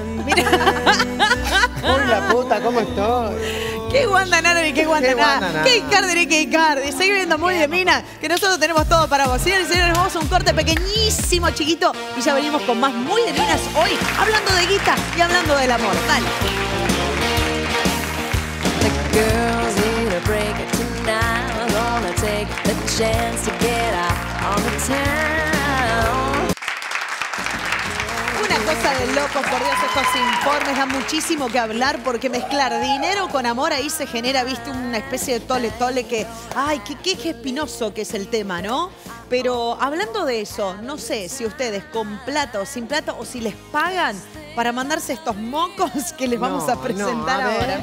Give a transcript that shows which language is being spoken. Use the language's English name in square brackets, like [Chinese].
[Spanish] Miren. ¡Uy, la puta! ¿Cómo estoy? ¡Qué Wanda Nara y qué Wanda Nara! ¡Qué Icardi y qué Icardi! Seguí viendo muy de mina, que nosotros tenemos todo para vos. Señores y señores, vamos a un corte pequeñísimo, chiquito, y ya venimos con más muy de minas hoy, hablando de guita y hablando del amor. Dale. [English] The girls need a break tonight. Gonna take the chance to get out on the town. [Spanish] Cosa de locos, por Dios, estos informes dan muchísimo que hablar, porque mezclar dinero con amor, ahí se genera, viste, una especie de tole-tole que... Ay, qué espinoso que es el tema, ¿no? Pero hablando de eso, no sé si ustedes con plata o sin plata, o si les pagan para mandarse estos mocos que les vamos a presentar ahora.